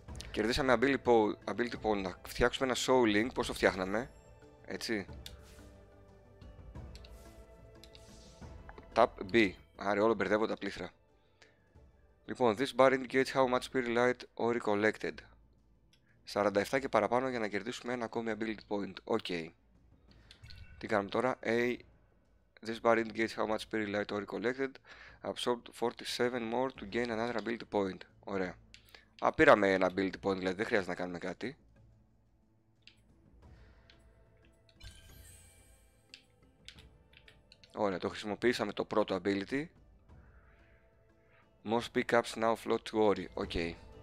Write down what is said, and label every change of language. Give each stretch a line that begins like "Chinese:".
Greek: Κερδίσαμε Ability Point. Να φτιάξουμε ένα Soul Link. Πώς το φτιάχναμε, έτσι. Tap B. Άρα όλο μπερδεύω τα πλήθρα.
English: Λοιπόν, this bar indicates how much spirit light Ori collected.
Greek: 47 και παραπάνω για να κερδίσουμε ένα ακόμη ability point. Ok. Τι κάνουμε τώρα. A.
English: This bar indicates how much spirit light Ori collected. Absorbed 47 more to gain another ability point.
Greek: Ωραία. Α, πήραμε ένα ability point, δηλαδή δεν χρειάζεται να κάνουμε κάτι. Ωραία, το χρησιμοποιήσαμε το πρώτο ability.
English: Most pickups now float to Ori. Οκ. Okay.